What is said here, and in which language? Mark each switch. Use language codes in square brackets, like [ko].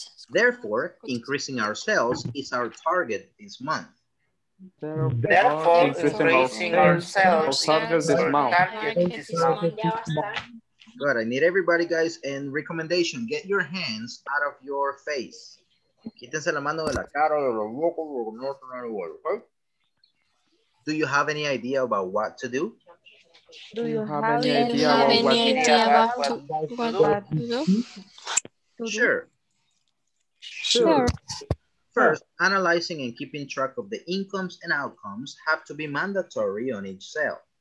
[en] Therefore, increasing our sales is our target this month. Therefore, increasing our sales is our target this month. Good. I need everybody, guys, and recommendation, get your hands out of your face. [es] Quítense la mano de la cara de los ojos o no se van a ver. [en] Do you have any idea about what to do? Do you have any idea about what to do? Sure. First, analyzing and keeping track of the incomes and outcomes have to be mandatory on each sale.